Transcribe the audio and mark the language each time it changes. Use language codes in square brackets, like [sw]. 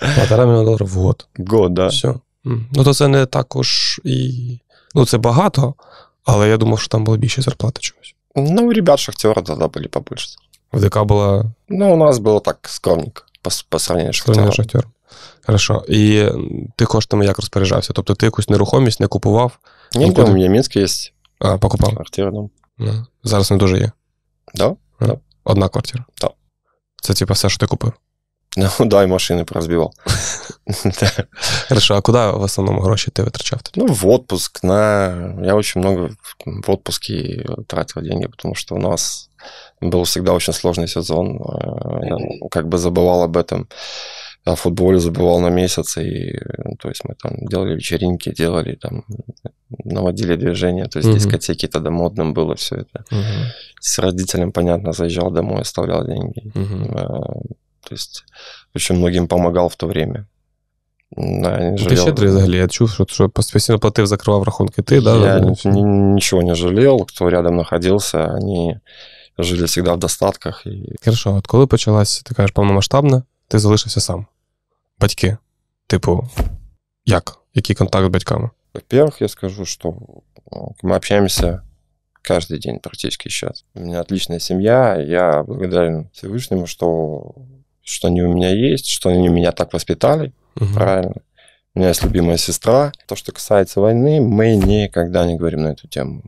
[ru] Полтора миллиона долларов в год. Год, да. Все. Ну, то это не так уж и... Ну, это много, но я думал, что там было больше зарплаты чего-то. Ну, у ребят Шахтера тогда были побольше. В ДК было... Ну, у нас было так скромненько по сравнению с Шахтером. Сравнение Шахтером. Хорошо. [uk] І ти коштами як розпоряджався? Тобто ти якусь нерухомість не купував? Ні, у мене Мінськ є. А, покупав? Квартира, ну. Зараз не дуже є? [ru] Да, да. [uk] Одна квартира? [ru] Да. [uk] Це, типа, все, що ти купив? Ну, да, і машини порозбивав. Хорошо, а куди в основному гроші ти витрачав? Тоді? [ru] Ну, в отпуск. На... [uk] Я дуже багато в отпуск тратив гроші, тому що у нас був завжди дуже складний сезон. [ru] Я как бы забывал об этом. Я в футболе забывал на месяц, и то есть мы там делали вечеринки, делали там, наводили движение, то есть uh-huh. дискотеки тогда модным было все это. Uh-huh. С родителем, понятно, заезжал домой, оставлял деньги. Uh-huh. То есть очень многим помогал в то время. Да, не жалел. Ты щедрый [uk] взагалі, я чув, що постійно платив, закривав рахунки. Ти, [ru] да? [uk] Я нічого не жалів, хто рядом знаходився, вони жили завжди в достатках. Хорошо, от коли почалась, ти кажеш, повномасштабна, ти залишився сам. Батьки, типу, як? Який контакт з батьками? [ru] Во-первых, я скажу, что мы общаемся каждый день практически сейчас. У меня отличная семья, я благодарен Всевышнему, что они у меня есть, что они меня так воспитали, угу. Правильно. У меня есть любимая сестра. То, что касается войны, мы никогда не говорим на эту тему.